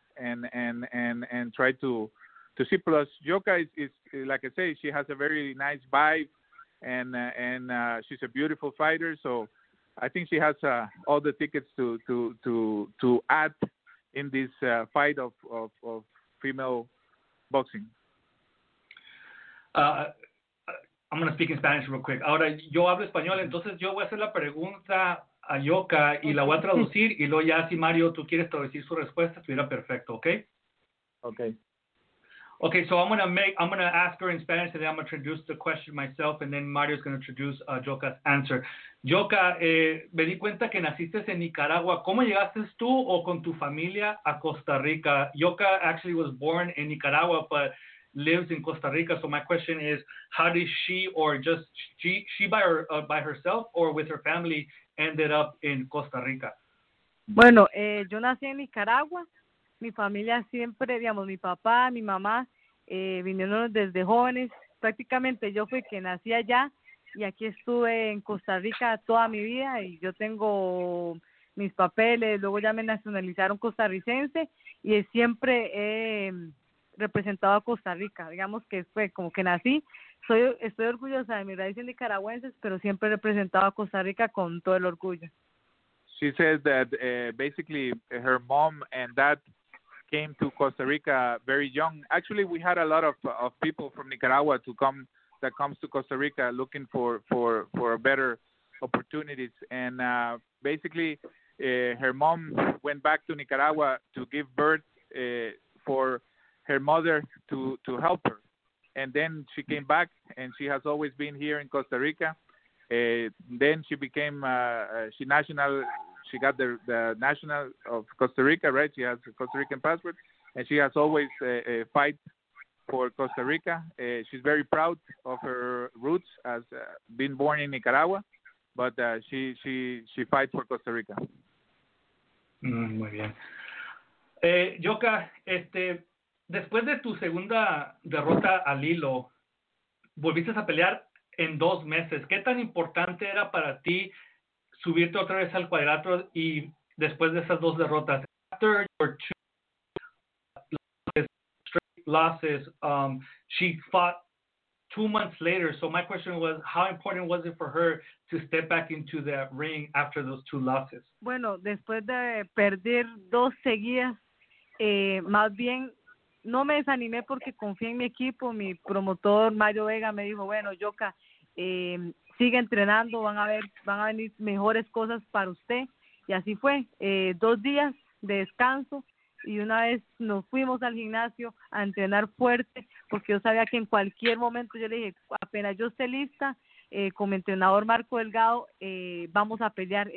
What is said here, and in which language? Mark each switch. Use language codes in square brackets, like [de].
[en] And try to see. Plus, Yoka is like I say, she has a very nice vibe, and she's a beautiful fighter. So I think she has all the tickets to add in this fight of female boxing. I'm gonna speak in Spanish real quick. [es] Ahora yo hablo español, entonces yo voy a hacer la pregunta a Yoka y la voy a traducir y luego ya si Mario tú quieres traducir su respuesta estuviera perfecto, okay? [en] Okay. Okay, so I'm gonna ask her in Spanish and then I'm gonna introduce the question myself and then Mario's gonna introduce Yoka's answer. [es] Yoka, me di cuenta que naciste en Nicaragua. ¿Cómo llegaste tú o con tu familia a Costa Rica? [en] Yoka actually was born in Nicaragua but lives in Costa Rica. So my question is, how did she or just she by her by herself or with her family ended up in Costa Rica? [es] Bueno, yo nací en Nicaragua. Mi familia siempre, digamos, mi papá, mi mamá, vinieron desde jóvenes. Prácticamente yo fui que nací allá y aquí estuve en Costa Rica toda mi vida y yo tengo mis papeles. Luego ya me nacionalizaron costarricense y siempre he representado a Costa Rica. Digamos que fue como que nací. Estoy orgullosa de mis raíces nicaragüenses, pero siempre he representado a Costa Rica con todo el orgullo. [en] She says that basically her mom and dad came to Costa Rica very young. Actually, we had a lot of people from Nicaragua that comes to Costa Rica looking for better opportunities. And basically, her mom went back to Nicaragua to give birth for her mother to help her. And then she came back, and she has always been here in Costa Rica. Then she became she got the national of Costa Rica, right? She has a Costa Rican passport, and she has always fight for Costa Rica. She's very proud of her roots as being born in Nicaragua, but she fight for Costa Rica. [es] Muy bien. Yoka, después de tu segunda derrota al hilo, volviste a pelear en dos meses. ¿Qué tan importante era para ti subirte otra vez al cuadrilátero y después de esas dos derrotas? [en] After your two losses, straight losses, she fought 2 months later. So my question was, how important was it for her to step back into the ring after those two losses? [es] Bueno, después de perder dos seguidas, más bien, no me desanimé porque confié en mi equipo. Mi promotor Mario Vega me dijo, bueno, Yoka, sigue entrenando, van a venir mejores cosas para usted. Y así fue, dos días de descanso y una vez nos fuimos al gimnasio a entrenar fuerte porque yo sabía que en cualquier momento yo le dije, apenas yo esté lista, como entrenador Marco Delgado, vamos a pelear.